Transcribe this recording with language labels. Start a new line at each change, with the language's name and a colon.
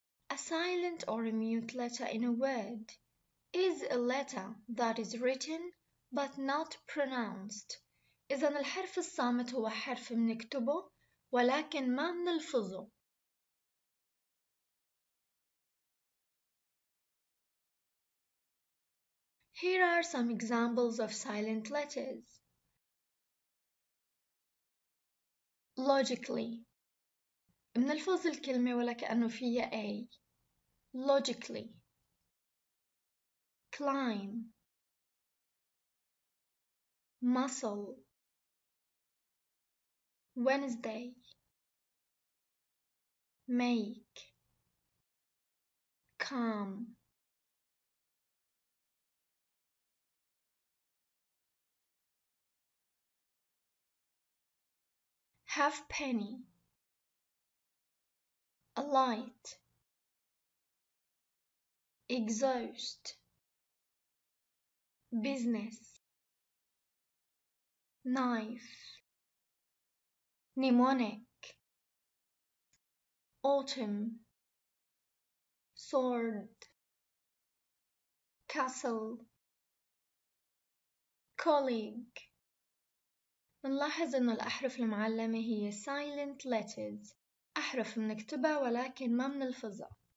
English: A silent or a mute letter in a word is a letter that is written but not pronounced.
Arabic: إذن الحرف الصامت هو حرف منكتبه ولكن ما منلفظه.
English: Here are some examples of silent letters. Logically.
Arabic: بنلفظ الكلمة ولا كأنه فيها A.
English: Logically. Climb. Muscle. Wednesday. Make. Calm. Half penny, a light, exhaust, business, knife, mnemonic, autumn, sword, castle, colleague.
Arabic: نلاحظ إنه الأحرف المعلمة هي silent letters، أحرف منكتبها ولكن ما منلفظها.